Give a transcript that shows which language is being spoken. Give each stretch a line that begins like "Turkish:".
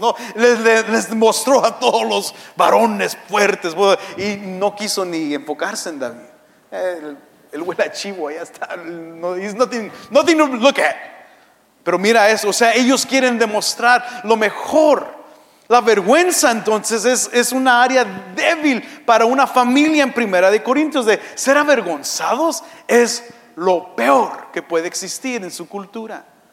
Spanish: No, les mostró a todos los varones fuertes y no quiso ni enfocarse en David. El huele a chivo, ya está.
English: No, he's nothing to look at.
Spanish: Pero mira eso. O sea, ellos quieren demostrar lo mejor. La vergüenza entonces es una área débil para una familia en Primera de Corintios. De ser avergonzados es lo peor que puede existir en su cultura.